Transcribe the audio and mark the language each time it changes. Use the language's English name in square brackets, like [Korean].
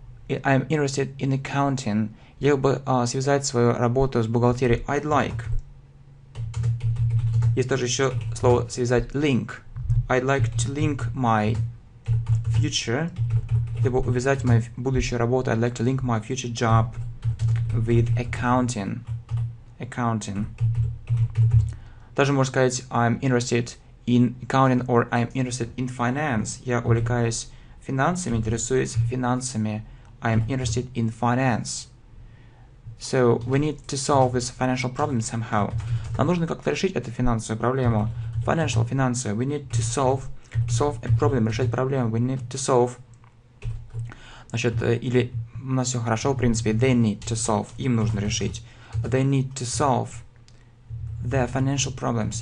[English] I'm interested in accounting. [Russian] Я бы связать свою работу с бухгалтерией. [English] I'd like. [Russian] Есть тоже еще слово связать link. [English] I'd like to link my future. [Russian] Либо увязать мою будущую работу. [English] I'd like to link my future job with accounting. Accounting. [Russian] Также можно сказать [English] I'm interested in accounting or I'm interested in finance. [Russian] Я увлекаюсь финансами, интересуюсь финансами. [English] I'm interested in finance. So we need to solve this financial problem somehow. [Russian] Нам нужно как-то решить эту финансовую проблему. [English] Financial, финансы. We need to solve a problem, [Russian] решать проблему. [English] We need to solve. [Russian] Значит, или у нас все хорошо, в принципе. [English] They need to solve. [Russian] Им нужно решить. [English] They need to solve their financial problems.